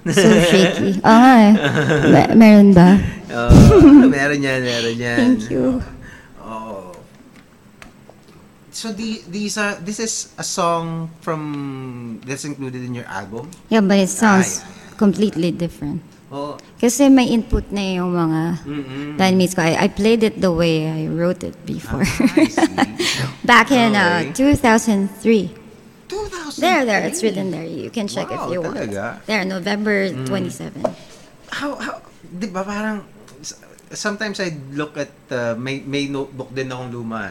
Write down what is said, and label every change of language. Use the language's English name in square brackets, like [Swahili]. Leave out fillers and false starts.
[English] So shaky. [Filipino] Ay, meron ba? Oh, meron yan. [English] Thank you. So this is a song from that's included in your album? Yeah, but it sounds completely different. [Filipino] Kasi may input na yung mga bandmates ko. [English] I played it the way I wrote it before. Back in 2003. There, it's written there. You can check if you want. There, November 27. [Filipino] How, di ba parang, [English] sometimes I look at, [Filipino] may notebook din akong luma.